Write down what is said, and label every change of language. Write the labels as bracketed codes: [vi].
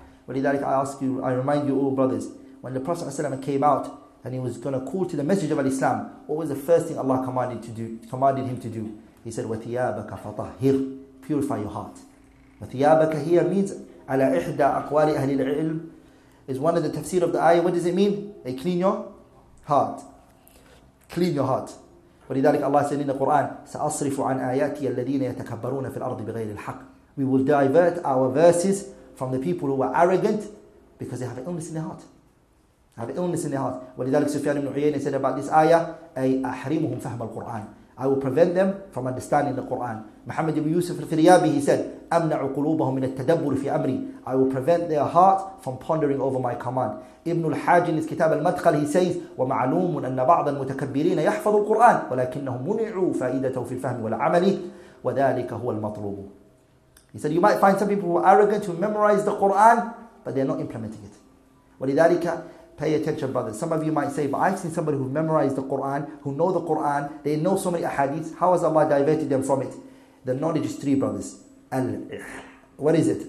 [ar] وَلِذَلِكَ [en] I ask you, I remind you all, brothers, when the Prophet ﷺ came out and he was going to call to the message of Al-Islam, what was the first thing Allah commanded him to do? He said, [ar] وَثِيَابَكَ فَطَهِّرْ. [en] Purify your heart. وَثِيَابَكَ here means, [ar] عَلَىٰ إِحْدَىٰ أَقْوَالِ أَهْلِ الْعِلْمِ, [en] is one of the tafsir of the ayah. What does it mean? They clean your heart. Clean your heart. [ar] وَلِذَلِكَ Allah [en] said in the Qur'an, [ar] سَأَصْرِفُ عَنْ آيَاتِيَ الَّذِينَ يَتَكَبَّرُونَ فِي الْأَرْضِ بِغَيْرِ الْحَقِّ. [en] We will divert our verses from the people who are arrogant because they have an illness in their heart. Have illness in their heart. وَلِذَلِكَ سُفْيَانُ بْنُ عُيَيْنَةَ said about this ayah, [ar] أَيْ أَحْرِمُهُمْ فَهْمَ الْقُرْآنِ. [en] I will prevent them from understanding the Qur'an. Muhammad ibn Yusuf al-Thiriyabi, he said, [ar] أَمْنَعُ قُلُوبَهُمْ مِنَ التَّدَبُّرِ فِي أَمْرِي. [en] I will prevent their heart from pondering over my command. [ar] Ibn al-Hajj [en] in his Kitab al-Madkhal, he says, [ar] وَمَعْلُومٌ أَنَّ بَعْضَ الْمُتَكَبِّرِينَ يَحْفَظُ الْقُرْآنِ وَلَكِنَّهُمْ مُنِعُوا فَائِدَتَهُ فِي الْفَهْمِ وَالْعَمَلِ وَذَلِكَ هُوَ الْمَطْلُوبُ. [en] He said, you might find some people who are arrogant, who memorize the Qur'an, but they're not implementing it. [ar] وَلِذَلِكَ [en] pay attention, brothers. Some of you might say, but I've seen somebody who memorized the Qur'an, who know the Qur'an, they know so many ahadiths. How has Allah diverted them from it? The knowledge is three, brothers. What is it?